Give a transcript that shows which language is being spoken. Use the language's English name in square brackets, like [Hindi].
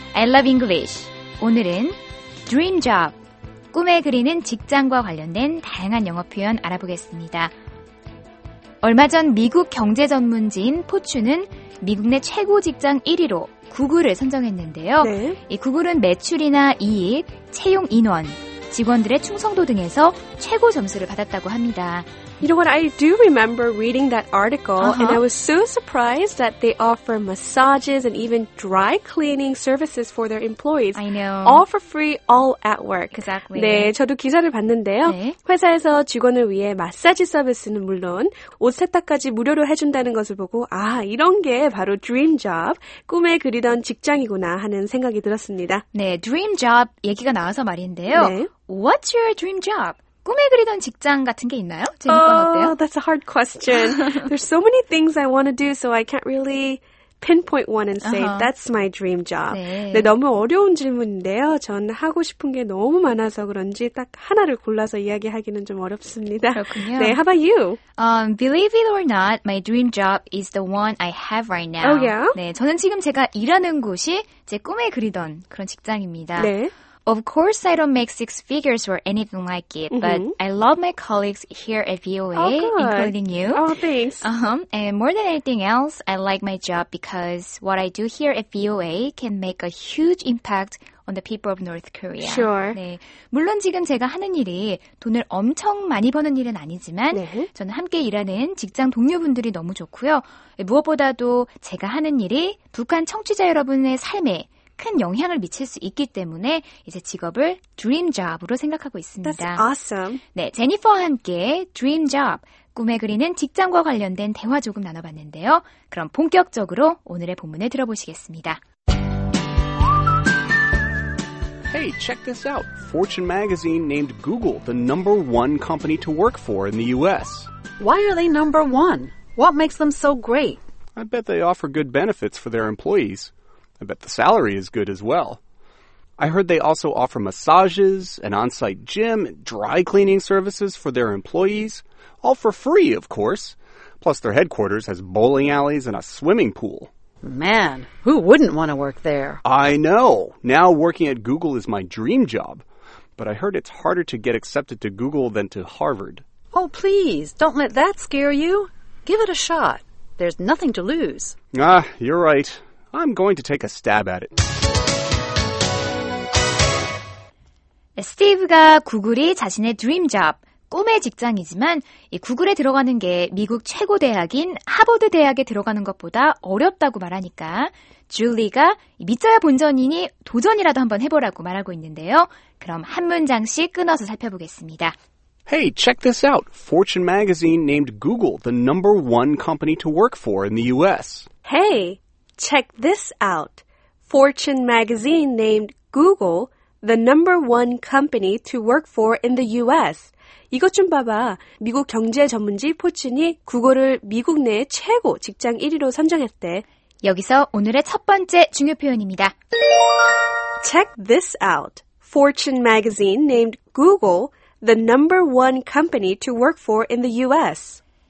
[English] I Love English. [Korean] 오늘은 Dream Job, 꿈에 그리는 직장과 관련된 다양한 영어 표현 알아보겠습니다. 얼마 전 미국 경제 전문지인 포춘은 미국 내 최고 직장 1위로 구글을 선정했는데요. 네. 이 구글은 매출이나 이익, 채용 인원, 직원들의 충성도 등에서 최고 점수를 받았다고 합니다. [English] You know what, I do remember reading that article, and I was so surprised that they offer massages and even dry cleaning services for their employees. I know. All for free, all at work. Exactly. [Korean] 네, 저도 기사를 봤는데요. 네. 회사에서 직원을 위해 마사지 서비스는 물론 옷 세탁까지 무료로 해준다는 것을 보고 아, 이런 게 바로 dream job, 꿈에 그리던 직장이구나 하는 생각이 들었습니다. 네, dream job 얘기가 나와서 말인데요. 네. [English] What's your dream job? [Korean] 꿈에 그리던 직장 같은 게 있나요? 제니 것 같아요. [English] Oh, that's a hard question. There's so many things I want to do, so I can't really pinpoint one and say that's my dream job. [Korean] 네. 네, 너무 어려운 질문인데요. 전 하고 싶은 게 너무 많아서 그런지 딱 하나를 골라서 이야기하기는 좀 어렵습니다. 그렇군요. [English] 네, how about you? Believe it or not, my dream job is the one I have right now. Oh, yeah? [Korean] 네, 저는 지금 제가 일하는 곳이 제 꿈에 그리던 그런 직장입니다. 네. [English] Of course, I don't make six figures or anything like it, but I love my colleagues here at VOA, including you. Oh, thanks. And more than anything else, I like my job because what I do here at VOA can make a huge impact on the people of North Korea. Sure. [Korean] 네, 물론 지금 제가 하는 일이 돈을 엄청 많이 버는 일은 아니지만 네. 저는 함께 일하는 직장 동료분들이 너무 좋고요. 무엇보다도 제가 하는 일이 북한 청취자 여러분의 삶에 큰 영향을 미칠 수 있기 때문에 이제 직업을 드림 잡으로 생각하고 있습니다. [English] That's awesome. [Korean] 네, 제니퍼와 함께 드림 잡, 꿈에 그리는 직장과 관련된 대화 조금 나눠봤는데요. 그럼 본격적으로 오늘의 본문을 들어보시겠습니다. [English] Hey, check this out. Fortune magazine named Google the number one company to work for in the U.S. Why are they number one? What makes them so great? I bet they offer good benefits for their employees. I bet the salary is good as well. I heard they also offer massages, an on-site gym, and dry cleaning services for their employees. All for free, of course. Plus, their headquarters has bowling alleys and a swimming pool. Man, who wouldn't want to work there? I know. Now working at Google is my dream job. But I heard it's harder to get accepted to Google than to Harvard. Oh, please, don't let that scare you. Give it a shot. There's nothing to lose. Ah, you're right. I'm going to take a stab at it. [Korean] 스티브가 구글이 자신의 드림 잡, 꿈의 직장이지만 이 구글에 들어가는 게 미국 최고 대학인 하버드 대학에 들어가는 것보다 어렵다고 말하니까 줄리가 믿자야 본전이니 도전이라도 한번 해보라고 말하고 있는데요. 그럼 한 문장씩 끊어서 살펴보겠습니다. [English] Hey, check this out. Fortune magazine named Google the number one company to work for in the U.S. Hey, check this out. Fortune magazine named Google the number one company to work for in the U.S. [Korean] 이것 좀 봐봐. 미국 경제 전문지 포춘이 구글을 미국 내 최고 직장 1위로 선정했대. 여기서 오늘의 첫 번째 중요 표현입니다. [English] Check this out. Fortune magazine named Google the number one company to work for in the U.S.